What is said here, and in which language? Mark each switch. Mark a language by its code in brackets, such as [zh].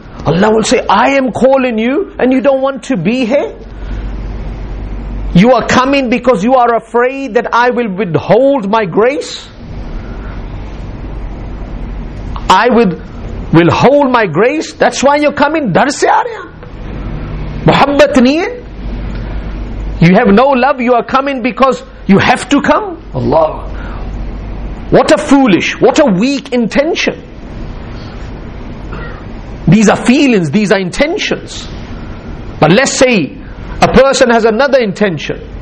[en] Allah will say, I am calling you and you don't want to be here. You are coming because you are afraid that I will withhold my grace. I will withhold my grace. That's why you're coming. [ur] ڈر سے آ رہے محبت نہیں۔ [en] You have no love. You are coming because you have to come. Allah. What a foolish, what a weak intention. These are feelings, these are intentions. But let's say a person has another intention.